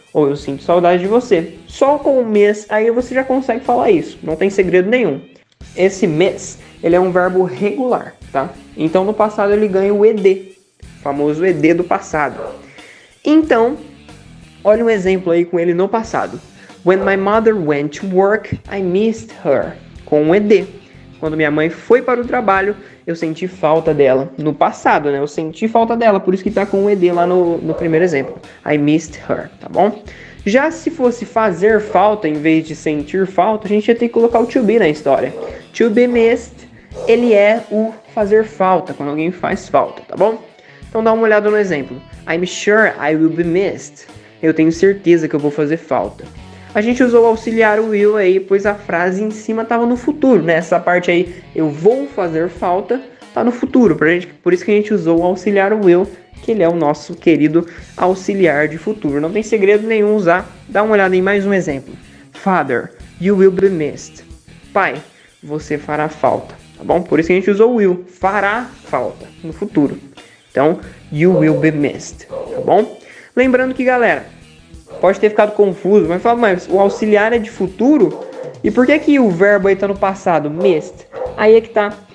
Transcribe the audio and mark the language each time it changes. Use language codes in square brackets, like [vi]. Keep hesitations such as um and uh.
[pt] Ou eu sinto saudade de você. Só com o miss aí você já consegue falar isso. Não tem segredo nenhum. Esse miss, ele é um verbo regular, tá? Então no passado ele ganha o ed. O famoso ed do passado. Então, olha um exemplo aí com ele no passado. [en] When my mother went to work, I missed her. [pt] Com o um ED. Quando minha mãe foi para o trabalho, eu senti falta dela no passado, né? Eu senti falta dela, por isso que tá com o um ED lá no, no primeiro exemplo. [en] I missed her, [pt] tá bom? Já se fosse fazer falta em vez de sentir falta, a gente ia ter que colocar o to be na história. To be missed, ele é o fazer falta, quando alguém faz falta, tá bom? Então dá uma olhada no exemplo. [en] I'm sure I will be missed. [pt] Eu tenho certeza que eu vou fazer falta a gente usou o auxiliar will aí, pois a frase em cima estava no futuro, né? Essa parte aí, eu vou fazer falta, tá no futuro, gente, por isso que a gente usou o auxiliar will, que ele é o nosso querido auxiliar de futuro. Não tem segredo nenhum usar. Dá uma olhada em mais um exemplo. [en] Father, you will be missed. [pt] Pai, você fará falta, tá bom? Por isso que a gente usou will, fará falta no futuro. Então, [en] you will be missed, [pt] tá bom? Lembrando que, galera, pode ter ficado confuso, mas fala, mas o auxiliar é de futuro? E por que que o verbo aí tá no passado? mestre? Aí é que está.